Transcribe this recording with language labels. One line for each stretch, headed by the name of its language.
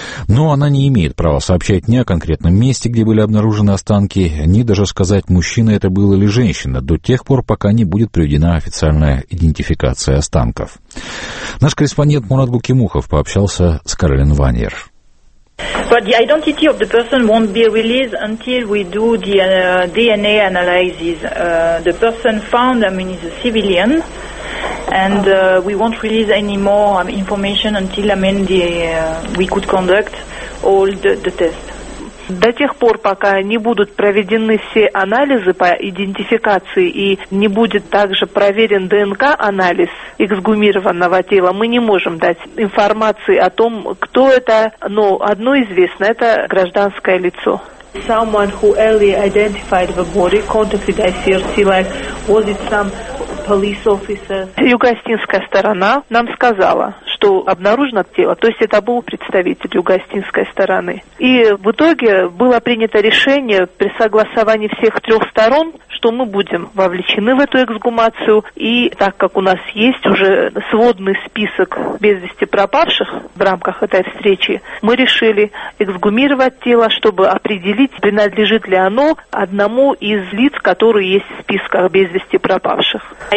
Russian: Но она не имеет права сообщать ни о конкретном месте, где были обнаружены останки, ни даже сказать, мужчина это был или женщина, до тех пор, пока не будет проведена официальная идентификация останков. Наш корреспондент Мурат Гукимухов пообщался с Каролин Ванер.
English: But the identity of the person won't be released until we do the DNA analysis. The person found, I mean, is a civilian, and we won't release any more information until, I mean, the, we could conduct all the tests.
Russian: До тех пор, пока не будут проведены все анализы по идентификации и не будет также проверен ДНК-анализ эксгумированного тела, мы не можем дать информации о том, кто это, но одно известно, это гражданское лицо.
English: Someone who earlier identified the body contacted ICRC, like, was it some police officer?
Russian: Югостинская сторона нам сказала, что обнаружено тело, то есть это был представитель югостинской стороны. И в итоге было принято решение при согласовании всех трех сторон, что мы будем вовлечены в эту эксгумацию. И так как у нас есть уже сводный список без вести пропавших в рамках этой встречи, мы решили эксгумировать тело, чтобы определить, принадлежит ли оно одному из лиц, которые есть в списках без вести пропавших.